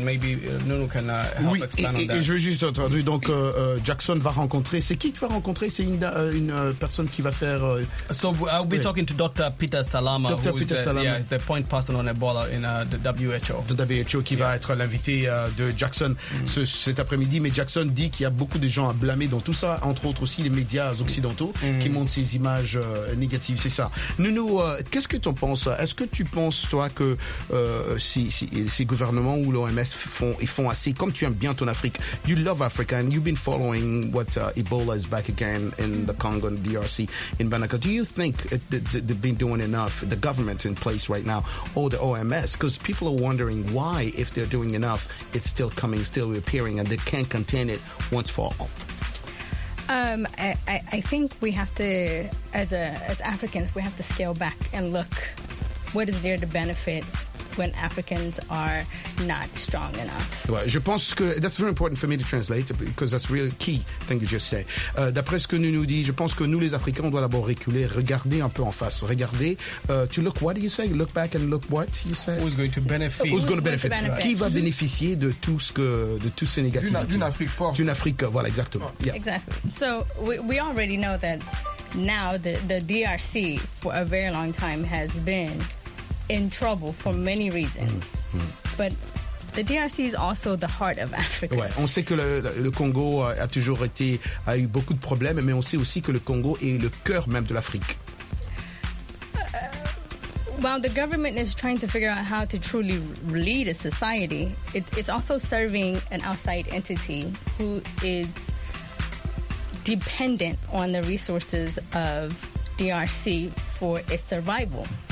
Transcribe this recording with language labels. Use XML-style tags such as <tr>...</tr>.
<en>And maybe Nounou can help expand on that.</en> <fr>Oui, et je veux juste entendre. Donc, Jackson va rencontrer. C'est qui tu vas rencontrer? C'est une personne qui va faire...</fr> <en>So I'll be talking to Dr. Peter Salama, who is the point person on Ebola in the WHO.</en> <fr>The WHO qui va être l'invité de Jackson cet après-midi. Mais Jackson dit qu'il y a beaucoup de gens à blâmer dans tout ça, entre autres aussi les médias occidentaux qui montrent ces images négatives, c'est ça. Nounou, qu'est-ce que tu en penses? Est-ce que tu penses, toi, que ces gouvernements ou l'OMS font assez? Comme tu aimes bien ton Afrique,</fr> <en>you love Africa and you've been following what Ebola is back again in the Congo and DRC in Banaka. Do you think they've been doing enough, the government in place right now, or the OMS? Because people are wondering why, if they're doing enough, it's still coming, still reappearing, and they can't contain it once for all. I think we have to, as Africans, we have to scale back and look what is there to benefit when Africans are not strong enough. Well,</en> <fr>je pense que</fr> <en>that's very important for me to translate because that's really key thing you just said.</en> <fr>D'après ce que nous nous dit, je pense que nous les Africains on doit d'abord reculer, regarder un peu en face, regarder.</fr> <en>To look, what do you say? Look back and look what you say. Who's going to benefit? Who's going to benefit? Right.</en> <fr>Qui va bénéficier de tout ce que de toutes ces négativités? D'une Afrique forte. D'une Afrique, voilà, exactement.</fr> <en>Yeah. Exactly. So we already know that now the DRC for a very long time has been in trouble for many reasons. Mm-hmm. But the DRC is also the heart of Africa.</en> <fr>Ouais, on sait que le Congo a toujours été a eu beaucoup de problèmes, mais on sait aussi que le Congo est le cœur même de l'Afrique.</fr> <en>While the government is trying to figure out how to truly lead a society, it's also serving an outside entity who is dependent on the resources of DRC for its survival.</en>